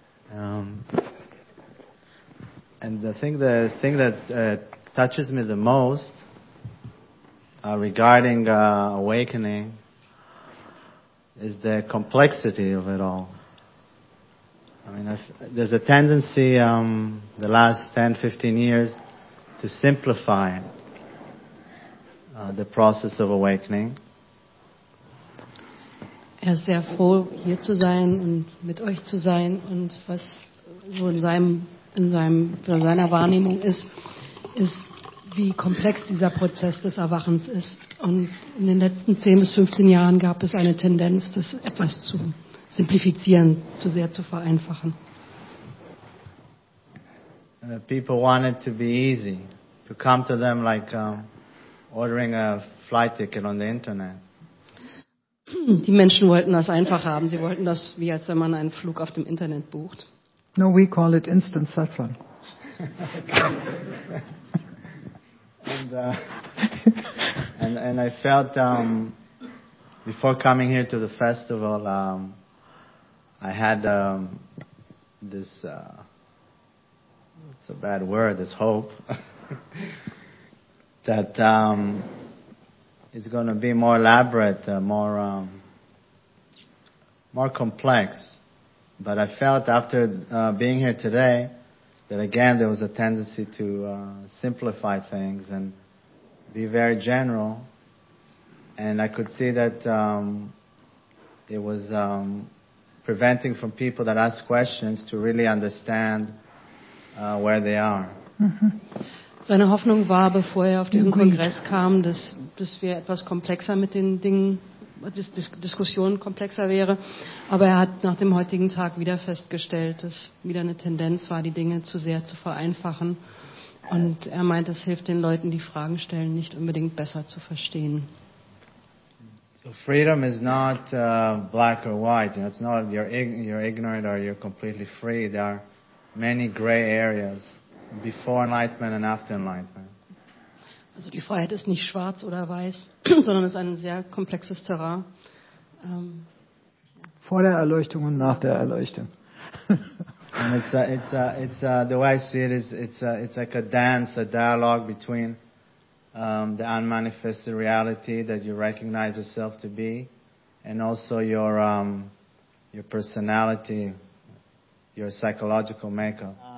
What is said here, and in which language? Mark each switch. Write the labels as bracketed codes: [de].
[en] And the thing that touches me the most regarding awakening is the complexity of it all. I mean, there's a tendency the last 10, 15 years to simplify the process of awakening. [de] Er ist sehr froh, hier zu sein und mit euch zu sein und was so in seiner Wahrnehmung ist, ist, wie komplex dieser Prozess des Erwachens ist. Und in den letzten 10 bis 15 Jahren gab es eine Tendenz, das etwas zu simplifizieren, zu sehr zu vereinfachen. [en] People want it to be easy, to come to them like ordering a flight ticket on the internet. [de] Die Menschen wollten das einfach haben. Sie wollten das, wie als wenn man einen Flug auf dem Internet bucht. [en] No, we call it instant satsang. and I felt before coming here to the festival, I had this, it's a bad word, this hope, that it's going to be more elaborate, more complex. But I felt after being here today that again there was a tendency to simplify things and be very general. And I could see that it was preventing from people that ask questions to really understand where they are. Mm-hmm. [de] Seine Hoffnung war, bevor er auf diesen Kongress kam, dass wir etwas komplexer mit den Dingen, dass Diskussion komplexer wäre. Aber er hat nach dem heutigen Tag wieder festgestellt, dass wieder eine Tendenz war, die Dinge zu sehr zu vereinfachen. Und er meint, es hilft den Leuten, die Fragen stellen, nicht unbedingt besser zu verstehen. [en] So freedom is not black or white. You know, it's not you're ignorant or you're completely free. There are many gray areas. Before enlightenment and after enlightenment. [de] Also die Freiheit ist nicht schwarz oder weiß, sondern ist ein sehr komplexes Terrain. Vor der Erleuchtung und nach der Erleuchtung. [en] And the way I see it is it's like a dance, a dialogue between the unmanifested reality that you recognize yourself to be, and also your personality, your psychological makeup.